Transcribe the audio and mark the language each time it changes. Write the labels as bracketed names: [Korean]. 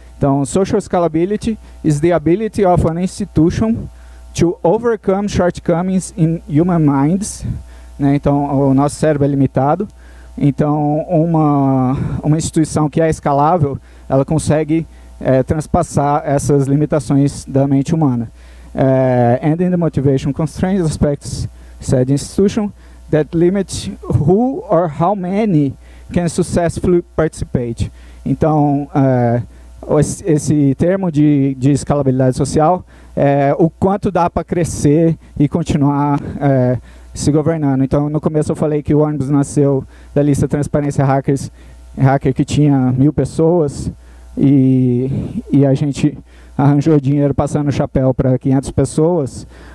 [English] Então, social scalability is the ability of an institution to overcome shortcomings in human minds. Né? [Portuguese] Então, o nosso cérebro é limitado. Então, uma instituição que é escalável, ela consegue transpassar essas limitações da mente humana. [English] And in the motivation constraints aspects said institution that limits who or how many can successfully participate. [Portuguese] Então, esse termo de escalabilidade social é o quanto dá para crescer e continuar se governando. Então, no começo eu falei que o Ônibus nasceu da lista Transparência Hacker que tinha 1,000 pessoas e a gente arranjou dinheiro passando o chapéu para 500 pessoas.